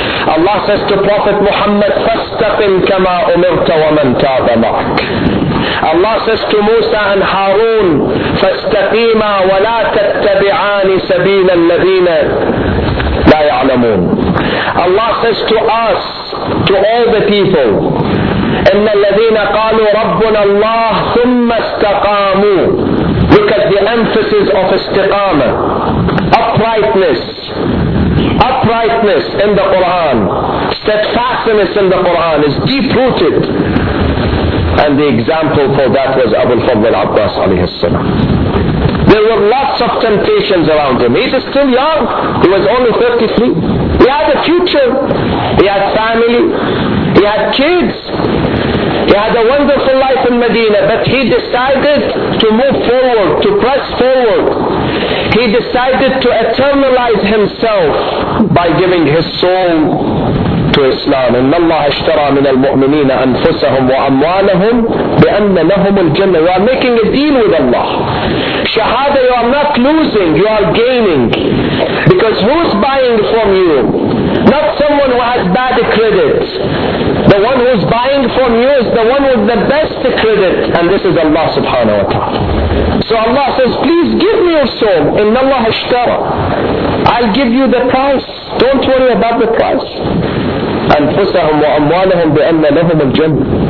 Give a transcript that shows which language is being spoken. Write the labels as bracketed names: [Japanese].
[English] Allah says to Prophet Muhammad, [Arabic] فَاسْتَقِمْ كَمَا أُمِرْتَ وَمَنْ تَابَ مَعْكَ. [English] Allah says to Musa and Harun, [Arabic] فَاسْتَقِيمَا وَلَا تَتَّبِعَانِ سَبِيلَ الَّذِينَ لَا يَعْلَمُونَ. [English] Allah says to us, to all the people, [Arabic] إِنَّ الَّذِينَ قَالُوا رَبُّنَا اللَّهُ ثُمَّ اسْتَقَامُوا. [English] Look at the emphasis of istiqama, uprightness. Uprightness in the Quran, steadfastness in the Quran is deep-rooted. And the example for that was Abu al-Fadl al-Abbas alayhi salam. There were lots of temptations around him. He was still young. He was only 33. He had a future. He had family. He had kids. He had a wonderful life in Medina, but he decided to move forward, to press forward. He decided to eternalize himself by giving his soul to Islam. [Arabic] إن الله اشترى من المؤمنين أنفسهم وأموالهم بأن لهم الجنة. [English] You are making a deal with Allah. Shahada, you are not losing, you are gaining. Because who's buying from you? Not someone who has bad credit. The one who's buying from you is the one with the best credit. And this is Allah subhanahu wa ta'ala. So Allah says, please give me your soul. [Arabic] إن الله اشترى. [English] I'll give you the price. Don't worry about the price. [Arabic] أنفسهم وأموالهم بأن لهم الجنة.